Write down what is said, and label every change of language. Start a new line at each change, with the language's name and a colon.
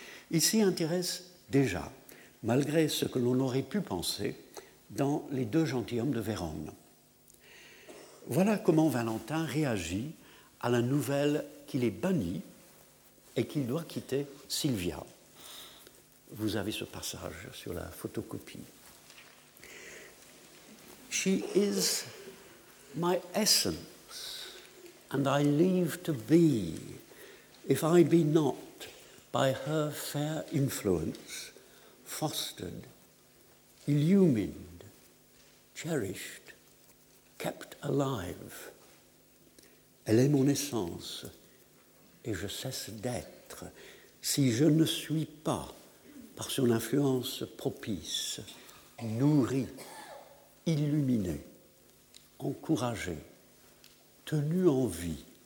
French: Il s'y intéresse déjà, malgré ce que l'on aurait pu penser, dans « Les deux gentilshommes de Vérone ». Voilà comment Valentin réagit à la nouvelle qu'il est banni et qu'il doit quitter Sylvia. Vous avez ce passage sur la photocopie.
English: She is my essence, and I leave to be, if I be not by her fair influence, fostered, illumined, cherished, kept alive.
French: Elle est mon essence, et je cesse d'être si je ne suis pas, par son influence propice, nourrie, illuminé, encouragé, tenu en vie.